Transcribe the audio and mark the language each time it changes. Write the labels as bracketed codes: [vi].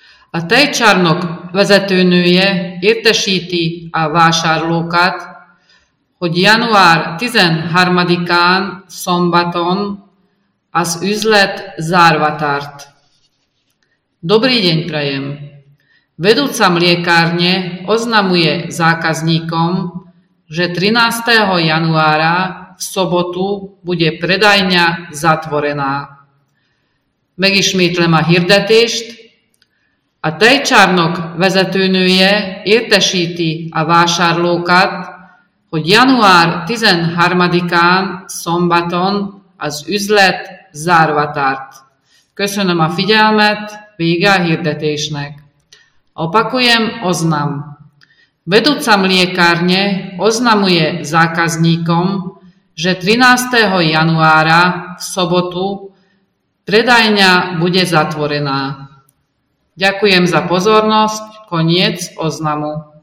[hu] A tejcsarnok vezetőnője értesíti a vásárlókat, hogy január 13-án szombaton az üzlet zárva tart. [sk] Dobrý deň prajem! Vedúca mliekárne oznamuje zákazníkom, že 13. januára v sobotu bude predajňa zatvorená. [hu] Megismétlem a hirdetést. A tejcsarnok vezetőnője értesíti a vásárlókat, hogy január 13-án szombaton az üzlet zárva tart. Köszönöm a figyelmet, vége a hirdetésnek. [sk] Opakujem oznam. Vedúca mliekárne oznamuje zákazníkom, že 13. januára v sobotu predajňa bude zatvorená. Ďakujem za pozornosť. Koniec oznamu.